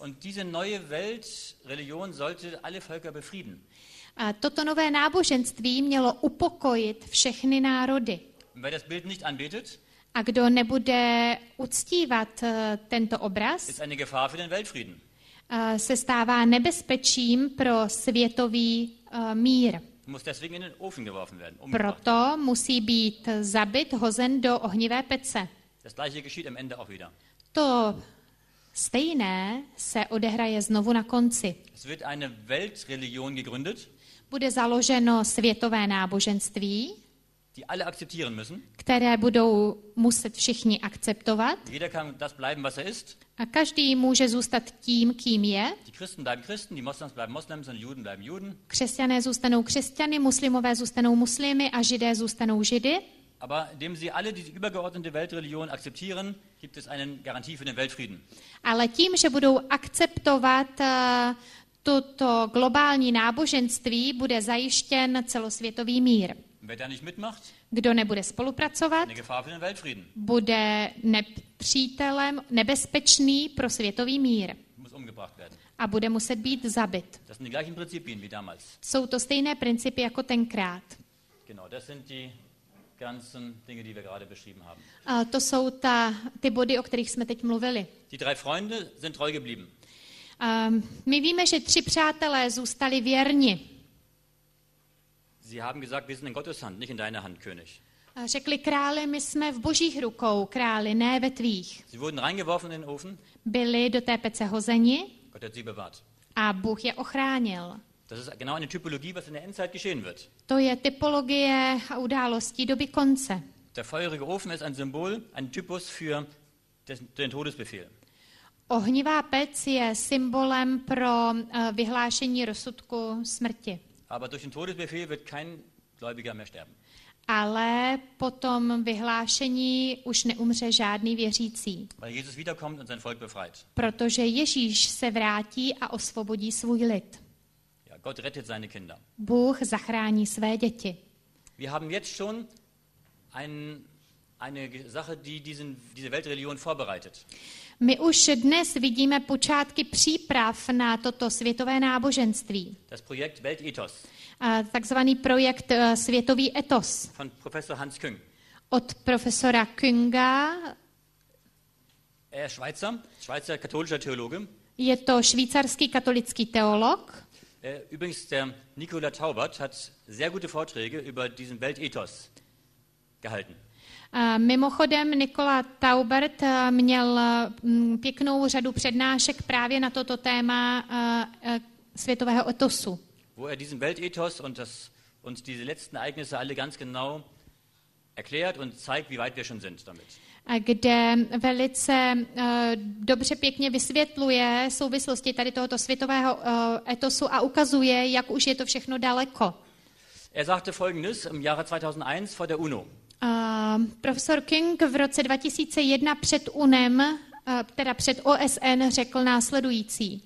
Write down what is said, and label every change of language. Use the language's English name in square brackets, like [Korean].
[German] Und diese neue Weltreligion sollte alle Völker befrieden. [Czech] A toto nové náboženství mělo upokojit všechny národy. [German] Wer das Bild nicht anbetet, [Czech] a kdo nebude uctívat tento obraz, [German] ist eine Gefahr für den Weltfrieden. [Czech] Se stává nebezpečím pro světový mír. [German] Muss deswegen in den Ofen geworfen werden, [Czech] umgebracht. Proto musí být zabit, hozen do ohnivé pece. [German] Das gleiche geschieht am Ende auch wieder. [Czech] To stejné se odehraje znovu na konci. [German] Es wird eine Weltreligion gegründet. [Czech] Bude založeno světové náboženství. [German] Die alle akzeptieren müssen. [Czech] Které budou muset všichni akceptovat. [German] Jeder kann das bleiben, was er ist. [Czech] A každý může zůstat tím, kým je. [German] Die Christen bleiben Christen, die Moslems bleiben Moslems, und Juden bleiben Juden. [Czech] Křesťané zůstanou křesťany, muslimové zůstanou muslimy a židé zůstanou židy. [German] Aber indem sie alle diese übergeordnete Weltreligion akzeptieren, gibt es eine Garantie für den Weltfrieden. [Czech] Ale tím, že budou akceptovat toto globální náboženství, bude zajištěn celosvětový mír. [German] Wer da nicht mitmacht, [Czech] kdo nebude spolupracovat, bude nepřítelem, nebezpečný pro světový mír. [German] Muss umgebracht werden. [Czech] A bude muset být zabit. [German] Das sind die gleichen Prinzipien wie damals. [Czech] Jsou to stejné principy jako tenkrát. [German] Genau, das sind die ganzen Dinge, die wir gerade beschrieben haben. [Czech] A to jsou ty body, o kterých jsme teď mluvili. [German] Die drei Freunde sind treu geblieben. [Czech] My víme, že tři přátelé zůstali věrni. [German] Sie haben gesagt, wir sind in Gottes Hand, nicht in deiner Hand, König. [Czech] Řekli králi, my jsme v Božích rukou, králi, ne ve tvých. [German] Sie wurden reingeworfen in den Ofen. [Czech] Byli do té pece hozeni. [German] Gott hat sie bewahrt. [Czech] A Bůh je ochránil. [German] Das ist genau eine Typologie, was in der Endzeit geschehen wird. [Czech] To je typologie a událostí doby konce. [German] Der feurige Ofen ist ein Symbol, ein Typus für den Todesbefehl. [Czech] Ohnivá pec je symbolem pro vyhlášení rozsudku smrti. [German] Aber durch den Todesbefehl wird kein Gläubiger mehr sterben. [Czech] Ale po tom vyhlášení už neumře žádný věřící. [German] Weil Jesus wiederkommt und sein Volk befreit. [Czech] Protože Ježíš se vrátí a osvobodí svůj lid. [German] Ja, Gott rettet seine Kinder. [Czech] Bůh zachrání své děti. [German] Wir haben jetzt schon eine Sache, die diese Weltreligion vorbereitet. [Czech] My už dnes vidíme počátky příprav na toto světové náboženství. [German] Das Projekt Weltethos. [Czech] Takzvaný projekt světový etos. [German] Von Professor Hans Küng. [Czech] Od profesora Künga. [German] Er ist Schweizer, Schweizer katholischer Theologe. [Czech] Je to švýcarský katolický teolog. [German] Übrigens, der Nikola Taubert hat sehr gute Vorträge über diesen Weltethos. gehalten. [Czech] Mimochodem, Nikola Taubert měl pěknou řadu přednášek právě na toto téma světového etosu. [German] Wo er diesen Weltethos und das uns diese letzten Ereignisse alle ganz genau erklärt und zeigt, wie weit wir schon sind damit. [Czech] Kde velice dobře pěkně vysvětluje souvislosti tady tohoto světového etosu a ukazuje, jak už je to všechno daleko. [German] Er sagte folgendes im Jahre 2001 vor der UNO. [Czech] Profesor King v roce 2001 před UNEM, teda před OSN, řekl následující.